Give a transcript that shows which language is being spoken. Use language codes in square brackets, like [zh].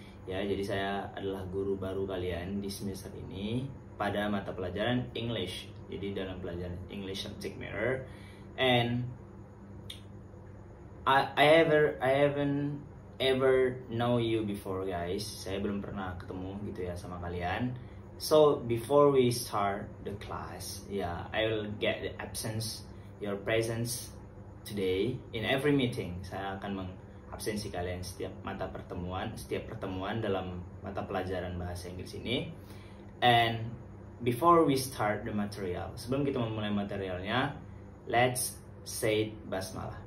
[id] Ya, jadi saya adalah guru baru kalian di semester ini pada mata pelajaran English. Jadi dalam pelajaran [en] English subject matter. And I haven't ever know you before, guys. [id] Saya belum pernah ketemu gitu ya sama kalian. [en] So before we start the class, yeah, I will get the absence, your presence today in every meeting. [id] Saya akan mengabsensi kalian setiap pertemuan dalam mata pelajaran bahasa Inggris ini. [en] And before we start the material, [id] sebelum kita memulai materialnya, [en] let's say basmalah.